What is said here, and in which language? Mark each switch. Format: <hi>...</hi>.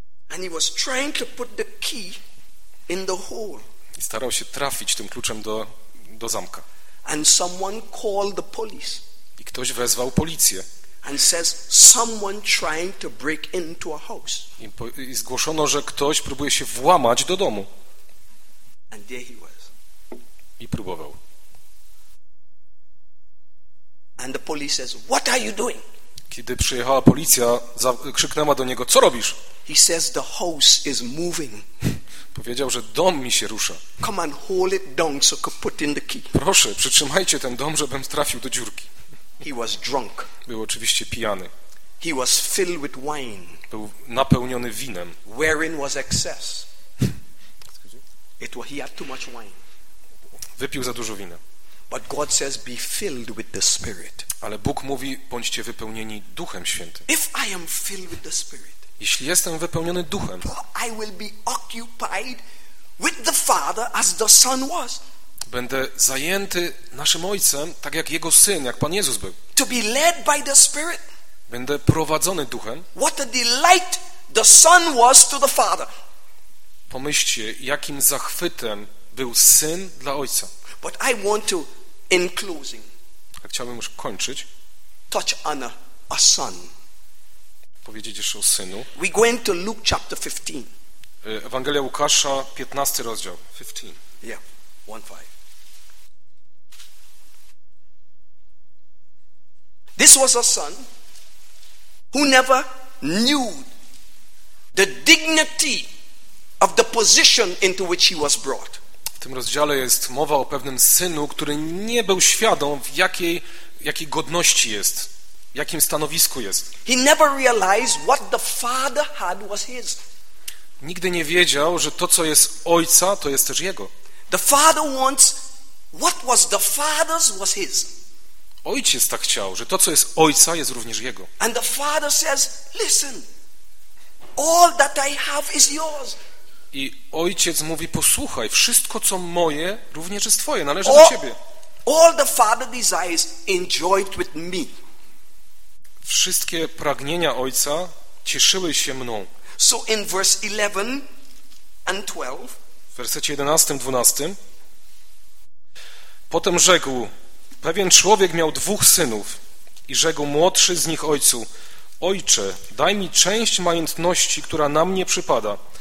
<en>And he was trying to put the key in the hole.</en> <pl>I starał się trafić tym kluczem do zamka.</pl> <en>And someone called the police.</en> <pl>I ktoś wezwał policję.</pl> <en>And says someone trying to break into a house.</en> <pl>I zgłoszono, że ktoś próbuje się włamać do domu.</pl> <en>And there he was.</en> <pl>I próbował.</pl> <en>And the police says, "What are you doing?"</en> <pl>Kiedy przyjechała policja, krzyknęła do niego: "Co robisz?"</pl> <en>He says, "The house is moving."</en> <pl>Powiedział, że dom mi się rusza.</pl> <en>"Come and hold it down so I can put in the key."</en> <pl>Proszę, przytrzymajcie ten dom, żebym trafił do dziurki.</pl> <en>He was drunk.</en> <pl>Był oczywiście pijany.</pl> <en>He was filled with wine.</en> <pl>Był napełniony winem.</pl> <en>Wherein was excess. He had too much wine.</en> <pl>Wypił za dużo wina.</pl> <en>But God says, be filled with the Spirit.</en> <pl>Ale Bóg mówi, bądźcie wypełnieni Duchem Świętym.</pl> <en>If I am filled with the Spirit,</en> <pl>jeśli jestem wypełniony Duchem,</pl> <en>I will be occupied with the Father as the Son was.</en> <pl>Będę zajęty naszym Ojcem, tak jak Jego Syn, jak Pan Jezus był.</pl> <en>To be led by the Spirit.</en> <pl>Będę prowadzony Duchem.</pl> <en>What a delight the Son was to the Father.</en> <pl>Pomyślcie, jakim zachwytem był Syn dla Ojca.</pl> <en>But I want to, in closing,</en> <pl>a chciałbym już kończyć.</pl> <en>Touch on a son.</en> <pl>Powiedzieć jeszcze o synu.</pl> <en>We going to Luke chapter 15.</en> <pl>Ewangelia Łukasza, 15 rozdział.</pl> <en>15. Yeah, 1:5. This was a son who never knew the dignity of the position into which he was brought.</en> <pl>W tym rozdziale jest mowa o pewnym synu, który nie był świadom, w jakiej jakiej godności jest, jakim stanowisku jest.</pl> <en>He never realized what the Father had was his.</en> <pl>Nigdy nie wiedział, że to, co jest Ojca, to jest też Jego.</pl> <en>The Father wants what was the Father's was his.</en> <pl>Ojciec tak chciał, że to, co jest Ojca, jest również Jego.</pl> <en>And the Father says, listen, all that I have is yours.</en> <pl>I Ojciec mówi, posłuchaj, wszystko, co moje, również jest Twoje, należy</pl> <en>all,</en> <pl>do Ciebie.</pl> <en>All the Father desires, enjoy it with me.</en> <pl>Wszystkie pragnienia Ojca cieszyły się mną.</pl> <en>So in verse 11 and 12,</en> <pl>w wersecie 11, 12, potem rzekł, pewien człowiek miał dwóch synów i rzekł młodszy z nich ojcu, ojcze, daj mi część majątności, która na mnie przypada.</pl>